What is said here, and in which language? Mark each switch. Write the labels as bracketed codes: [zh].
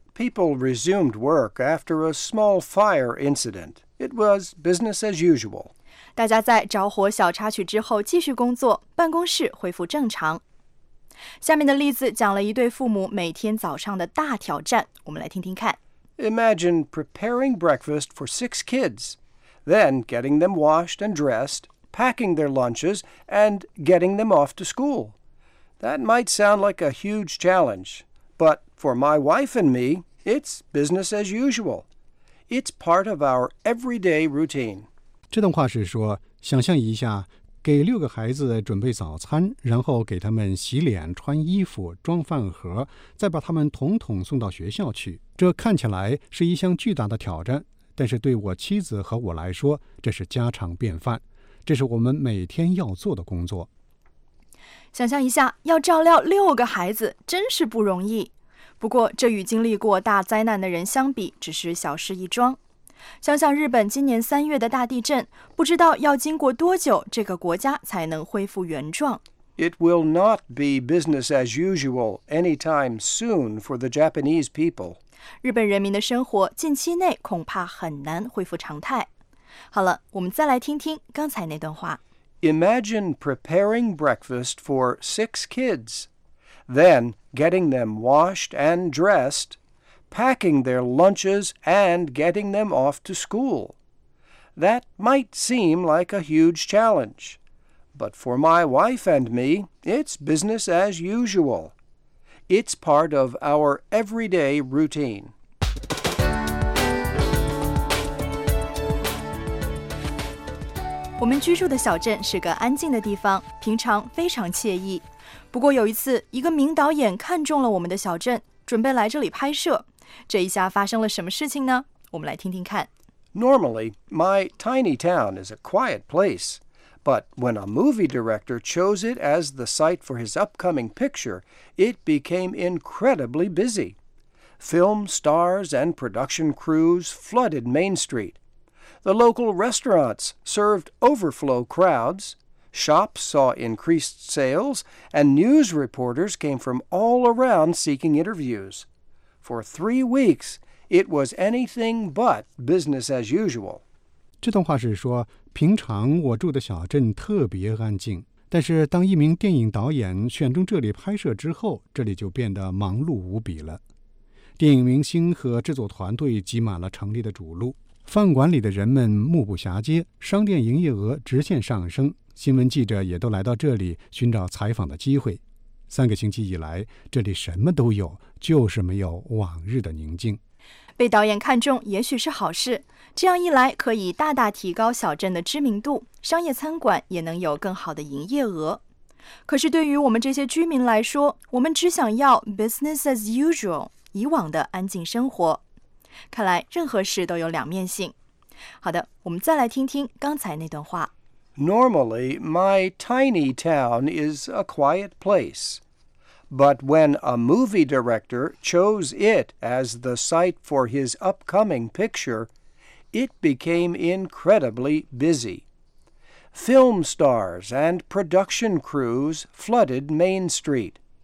[en] ，People resumed work after a small fire incident. It was business as usual. [zh] 大家在着火小插曲之后继续工作，办公室恢复正常。下面的例子讲了一对父母每天早上的大挑战，我们来听听看。 [en] Imagine preparing breakfast for 6 kids, then getting them washed and dressed, packing their lunches, and getting them off to school. That might sound like a huge challenge, but for my wife and me, it's business as usual. It's part of our everyday routine. [zh] 这段话是说，想象一下，给六个孩子准备早餐，然后给他们洗脸、穿衣服、装饭盒，再把他们统统送到学校去。这看起来是一项巨大的挑战，但是对我妻子和我来说，这是家常便饭，这是我们每天要做的工作。想象一下，要照料六个孩子，真是不容易。不过，这与经历过大灾难的人相比，只是小事一桩。想想日本今年3月的大地震，不知道要经过多久，这个国家才能恢复原状。 [en] It will not be business as usual anytime soon for the Japanese people. [zh] 日本人民的生活近期内恐怕很难恢复常态。好了，我们再来听听刚才那段话。 [en] Imagine preparing breakfast for 6 kids, then getting them washed and dressed, packing their lunches and getting them off to school. That might seem like a huge challenge, but for my wife and me, it's business as usual. It's part of our everyday routine. [zh] 我们居住的小镇是个安静的地方，平常非常惬意。不过有一次，一个名导演看中了我们的小镇，准备来这里拍摄。这一下发生了什么事情呢？我们来听听看。 [en] Normally, my tiny town is a quiet place. But when a movie director chose it as the site for his upcoming picture, it became incredibly busy. Film stars and production crews flooded Main Street. The local restaurants served overflow crowds, shops saw increased sales, and news reporters came from all around seeking interviews. For 3 weeks, it was anything but business as usual. [zh] 这段话是说，平常我住的小镇特别安静，但是当一名电影导演选中这里拍摄之后，这里就变得忙碌无比了。电影明星和制作团队挤满了城里的主路。饭馆里的人们目不暇接，商店营业额直线上升，新闻记者也都来到这里寻找采访的机会。 3个星期以来，这里什么都有，就是没有往日的宁静。被导演看中也许是好事，这样一来可以大大提高小镇的知名度，商业餐馆也能有更好的营业额。可是对于我们这些居民来说，我们只想要 business as usual， 以往的安静生活。看来任何事都有两面性。好的，我们再来听听刚才那段话。 [en] Normally, my tiny town is a quiet place. But when a movie director chose it as the site for his upcoming picture, it became incredibly busy. Film stars and production crews flooded Main Street.